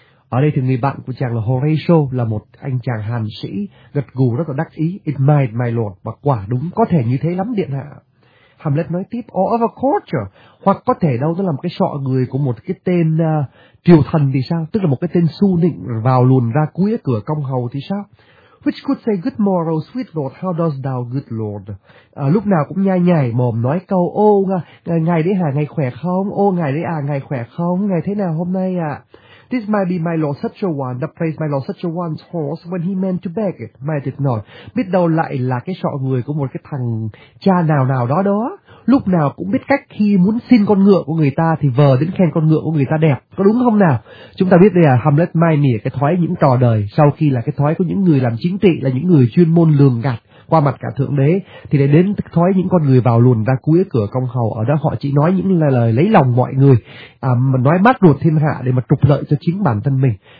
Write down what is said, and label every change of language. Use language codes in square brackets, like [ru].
[vi] Ở đây thì người bạn của chàng là Horatio, là một anh chàng hàn sĩ, gật gù rất là đắc ý. [en] It might, my lord, [vi] và quả đúng, có thể như thế lắm, điện hạ. Hamlet nói tiếp, [en] or of a courtier, [vi] hoặc có thể đâu nó làm cái sọ người của một cái tên triều thần thì sao? Tức là một cái tên su nịnh vào luồn ra cuối cửa công hầu thì sao? [en] Which could say, good morrow, sweet lord, how does thou, good lord? [vi] Lúc nào cũng nhai nhảy mồm nói câu, ô, ngày đấy hả, ngày khỏe không? Ô, ngày đấy à, ngày khỏe không? Ngày thế nào hôm nay ạ? [en] This might be my lord such a one, the place my lord such a one's horse when he meant to beg it, might it not? [vi] Biết đâu lại là cái sọ người của một cái thằng cha nào nào đó đó, lúc nào cũng biết cách khi muốn xin con ngựa của người ta thì vờ đến khen con ngựa của người ta đẹp, có đúng không nào? Chúng ta biết đây là Hamlet mai mỉa cái thói những trò đời, sau khi là cái thói của những người làm chính trị, là những người chuyên môn lường gạt qua mặt cả thượng đế, thì lại đến thói những con người vào luồn ra cuối cửa công hầu, ở đó họ chỉ nói những lời lấy lòng mọi người, nói mát ruột thiên hạ để mà trục lợi cho chính bản thân mình.